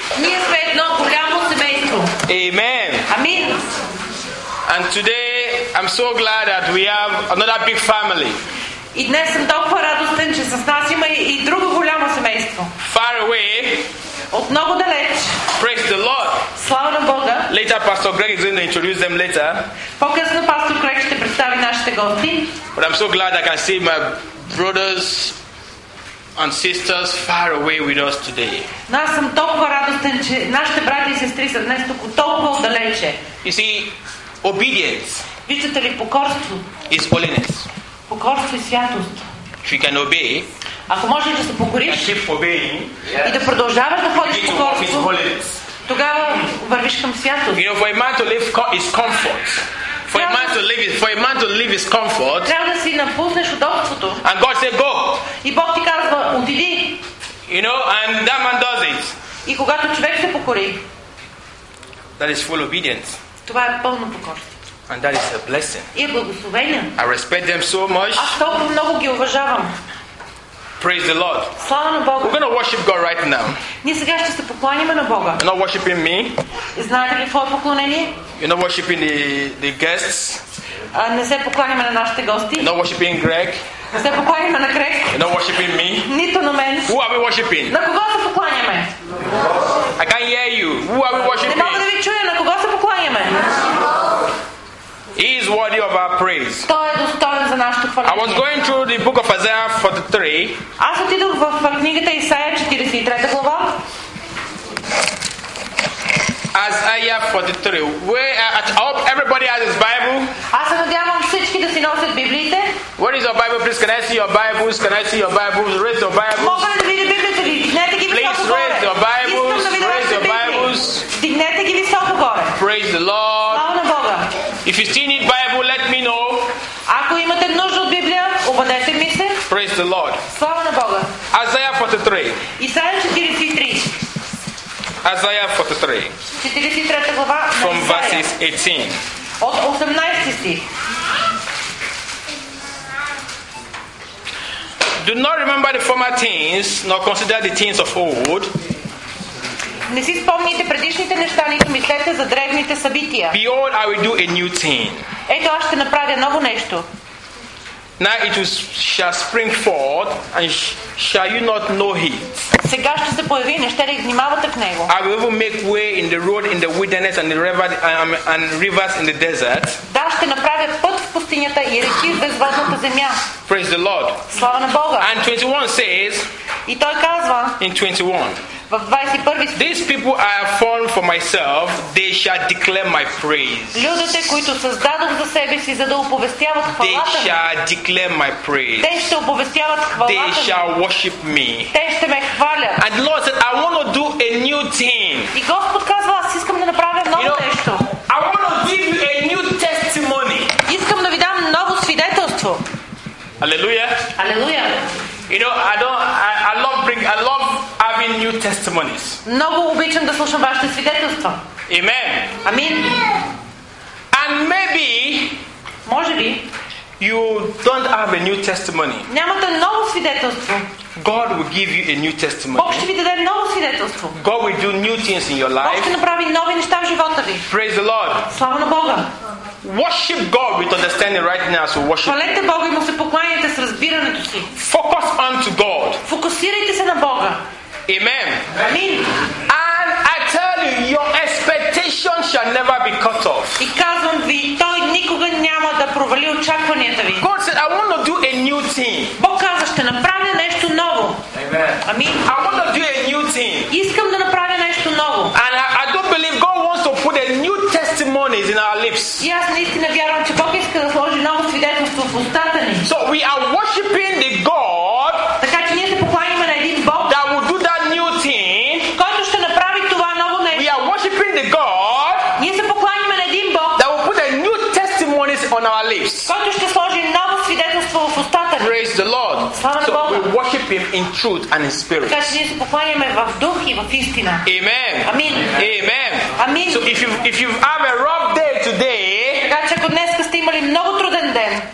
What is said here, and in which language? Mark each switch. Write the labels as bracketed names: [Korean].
[Bulgarian] Ние сме едно голямо семейство. [English] Amen. [Bulgarian] Амин. [English] And today I'm so glad that we have another big family. [Bulgarian] И днес съм толкова радостен, че с нас има и друго голямо семейство. [English] Far away. [Bulgarian] От много далеч. [English] Praise the Lord. [Bulgarian] Слава на Бога. [English] Later Pastor Greg is going to introduce them later. [Bulgarian] По-късно Пастор Грег ще представи нашите гости. [English] But I'm so glad I can see my brothers and sisters far away with us today. [Bulgarian] Но аз съм толкова радостен, че нашите брати и сестри са днес тук толкова отдалече. [English] You see, obedience. [Bulgarian] Виждате ли, покорство. [English] Is holiness. [Bulgarian] Покорство и святост. [English] If you can obey, [Bulgarian] ако можеш да се покориш [English] keep obeying, [Bulgarian] и да продължаваш да ходиш в покорство, тогава вървиш към святост. [English] You know, for a man to live is comfort. For a man to live his comfort. [Bulgarian] Трябва да си напуснеш удобството. [English] And God said, go. [Bulgarian] И Бог ти казва, отиди. [English] You know, and that man does it. [Bulgarian] И когато човек се покори, [English] that is full obedience. [Bulgarian] Това е пълно покорство. [English] And that is a blessing. [Bulgarian] И е благословение. [English] I respect them so much. [Bulgarian] Аз толкова много ги уважавам. [English] Praise the Lord. [Bulgarian] Слава на Бога. [English] We're going to worship God right now. [Bulgarian] Ние сега ще се поклоним на Бога. [English] You're not worshiping me. [Bulgarian] Знаете ли какво е поклонение? [English] You're not worshiping the guests. [Bulgarian] Не се поклоним на нашите гости. [English] You're not worshiping Greg. [Bulgarian] Не се поклоним на Крек. [English] You're not worshiping me. [Bulgarian] Нито на мен. [English] Who are we worshiping? [Bulgarian] На кого се поклоняме? [English] I can't hear you. Who are we worshiping? [Bulgarian] Не мога да ви чуя. На кого се поклоняме? [English] He is worthy of our praise. [Bulgarian] Той е достоен за нашето хваление. [English] I was going through the book of Isaiah 43. [Bulgarian] Аз отидох в книгата Исаия 43 глава. [English] Isaiah 43. Where at all everybody has his Bible? [Bulgarian] Аз надявам всички да си носят библиите. [English] Where is your Bible? Please, can I see your Bibles? Can I see your Bibles? Raise your Bibles. [Bulgarian] Мога ли да видя библиите ви? Дигнете ги високо горе. [English] Please raise your Bibles. Raise your Bibles. [Bulgarian] Дигнете ги високо горе. [English] Praise the Lord. [Bulgarian] Слава на Бога. [English] If you still need Bible, let me know. [Bulgarian] Ако имате нужда от Библия, обадете ми се. [English] Praise the Lord. [Bulgarian] Слава на Бога. [English] Isaiah 43. [Bulgarian] Исаия 43. [English] Isaiah 43. [Bulgarian] 43 глава. [English] From verses 18. [Bulgarian] От 18 стих. [English] Do not remember the former things, nor consider the things of old. [Bulgarian] Не си спомните предишните неща, нито мислете за древните събития. [English] Behold, I will do a new thing. [Bulgarian] Ето, аз ще направя ново нещо. [English] Now it shall spring forth, and shall you not know it? [Bulgarian] Сега ще се появи, не ще ли внимавате в него? [English] I will even make way in the road in the wilderness and the river and rivers in the desert. [Bulgarian] Да, ще направя път в пустинята и реки в безводната земя. [English] Praise the Lord. [Bulgarian] Слава на Бога. [English] And 21 says. [Bulgarian] И той казва. [English] In 21. [Bulgarian] В 21 стих. [English] These people I have formed for myself, they shall declare my praise. [Bulgarian] Людите, които създадох за себе си, за да оповестяват хвалата ми. [English] They shall declare my praise. [Bulgarian] Те ще оповестяват хвалата ми. [English] They shall worship me. [Bulgarian] Те ще ме хвалят. [English] And the Lord said, I want to do a new thing. [Bulgarian] И Господ казва, аз искам да направя ново [English] you know, [Bulgarian] нещо. [English] I want to give you a new testimony. [Bulgarian] Искам да ви дам ново свидетелство. [English] Hallelujah. Hallelujah. You know, I love having new testimonies. [Bulgarian] Много обичам да слушам вашите свидетелства. [English] Amen. Amen. And maybe, [Bulgarian] може ли, [English] you don't have a new testimony. [Bulgarian] Нямате ново свидетелство. [English] God will give you a new testimony. [Bulgarian] Бог ще ви даде ново свидетелство. [English] God will do new things in your life. [Bulgarian] Бог ще направи нови неща в живота ви. [English] Praise the Lord. [Bulgarian] Слава на Бога. [English] Worship God with understanding right now. So worship. [Bulgarian] Хвалете Бога и му се покланяйте с разбирането си. [English] Focus unto God. [Bulgarian] Фокусирайте се на Бога. [English] Amen. Amen. And I tell you, your expectation shall never be cut off. [Bulgarian] И казвам ви, той никога няма да провали очакванията ви. [English] God said, I want to do a new thing. [Bulgarian] Бог каза, ще направя нещо ново. [English] Amen. Amen. I want to do a new thing. [Bulgarian] Искам да направя нещо ново. [English] And I don't believe God wants to put a new testimonies in our lips. [Bulgarian] И аз наистина вярвам, че Бог иска да сложи ново свидетелство в устата ни. [English] So we are worshiping the God. [Bulgarian] Така че ние се покланяме на един Бог. [English] That will do that new thing. [Bulgarian] Който ще направи това ново нещо. [English] We are worshiping the God. [Bulgarian] Ние се покланяме на един Бог. [English] That will put a new testimonies on our lips. [Bulgarian] Който ще сложи ново свидетелство в устата ни. [English] Praise the Lord. [Bulgarian] Слава на Бога. [English] So we worship Him in truth and in spirit. [Bulgarian] Така че ние се покланяме в дух и в истина. [English] Amen. [Bulgarian] Амин. [English] Amen. [Bulgarian] Амин. [English] So if you've have a rough day today, [Bulgarian] така че ако днес сте имали много труден ден,